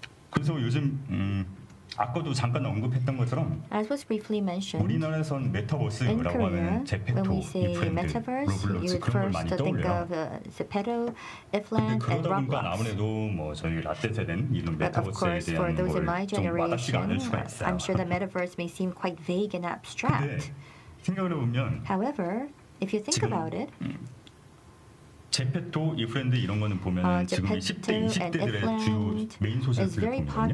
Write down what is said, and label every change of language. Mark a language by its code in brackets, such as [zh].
[ko] 그래서 요즘 아까도 잠깐 언급했던 것처럼 우리나라에선 메타버스라고 하면 제페토 이프랜드 로블록스 그런 걸 많이 떠올려요. 그런데 그러다 보니까 아무래도 뭐 저희 라떼 세대는 이런 메타버스에 대한 걸 좀 와닿지가 않을 수가 있어요. [en] I'm sure the metaverse may seem quite vague and abstract. [ko] 근데 생각을 해보면 [en] however, if you think about it, [ko] 제페토, 이프렌드 이런 거는 보면 지금 10대, 20대들의 주요 메인 소셜들이거든요.